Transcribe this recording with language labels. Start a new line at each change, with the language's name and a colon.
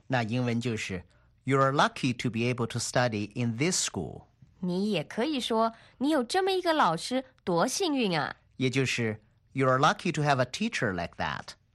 Chinese: 那英文就是
English: You're lucky to be able to study in this school.
Chinese: 你也可以说你有这么一个老师多幸运啊，也就是
English: You're lucky to have a teacher like that.